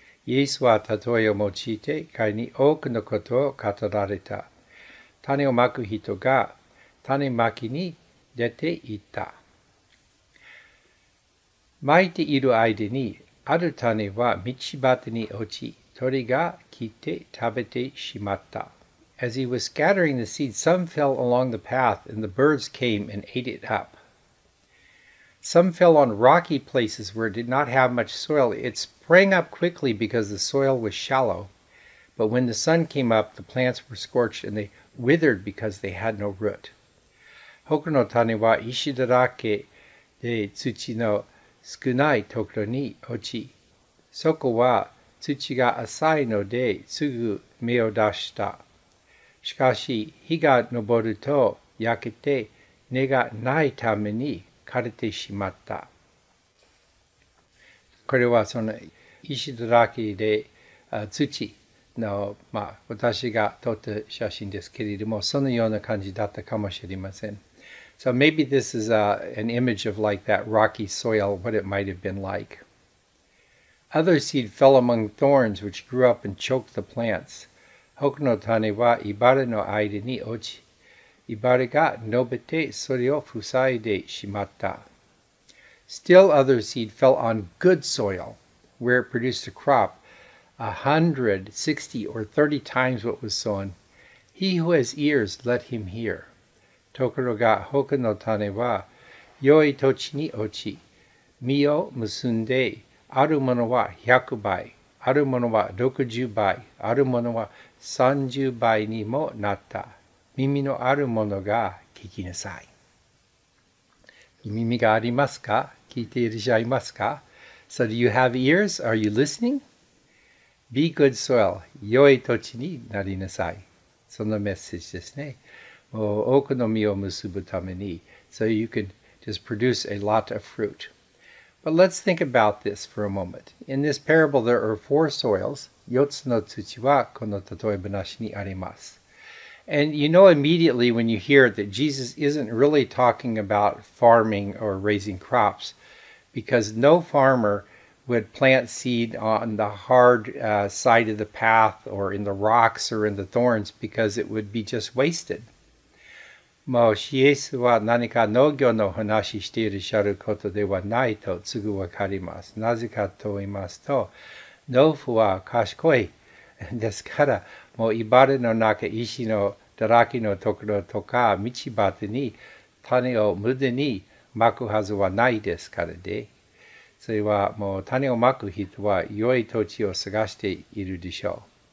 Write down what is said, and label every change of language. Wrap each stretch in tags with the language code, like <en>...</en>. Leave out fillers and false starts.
<ja>イエスはたとえを用いて彼に多くのことを語られた。種をまく人が種まきに出て行った。まいている間に、ある種は道端に落ち、鳥が来て食べてしまった。</ja> <en>As he was scattering the seed, some fell along the path, and the birds came and ate it up. Some fell on rocky places where it did not have much soil. It sprang up quickly because the soil was shallow. But when the sun came up, the plants were scorched, and they withered because they had no root.</en> <ja>他の種は石だらけで土の少ないところに落ち。そこは土が浅いのですぐ芽を出した。しかし、日が昇ると焼けて根がないために枯れてしまった。これはその石だらけで土の、まあ、私が撮った写真ですけれども、そのような感じだったかもしれません。</ja> <en>So maybe this is an image of like that rocky soil, what it might have been like. Other seed fell among thorns, which grew up and choked the plants.</en> <ja>他の種は茨の間に落ち、茨が伸びてそれを塞いでしまった。</ja> <en>Still other seed fell on good soil, where it produced a crop, 160 or 30 times what was sown. He who has ears, let him hear.</en> <ja>ところが他の種は良い土地に落ち、実を結んで、あるものは100倍、あるものは60倍、あるものは30倍にもなった。耳のあるものが聞きなさい。耳がありますか？聞いていらっしゃいますか ？</ja> <en>So do you have ears? Are you listening? Be good soil.</en> <ja>良い土地になりなさい。そのメッセージですね。多くの実を結ぶために</ja> <en>So you can just produce a lot of fruit. But let's think about this for a moment. In this parable, there are four soils.</en> <ja>四つの土はこの例え話にあります。</ja> <en>And you know immediately when you hear that Jesus isn't really talking about farming or raising crops, because no farmer would plant seed on the hard side of the path or in the rocks or in the thorns because it would be just wasted.</en> <ja>もうイエスは何か農業の話していらっしゃることではないとすぐわかります。なぜかと言いますと、農夫は賢いですから、もう茨の中、石のだらけのところとか、道端に種を無駄にまくはずはないですからで、それはもう種をまく人は良い土地を探しているでしょう。</ja>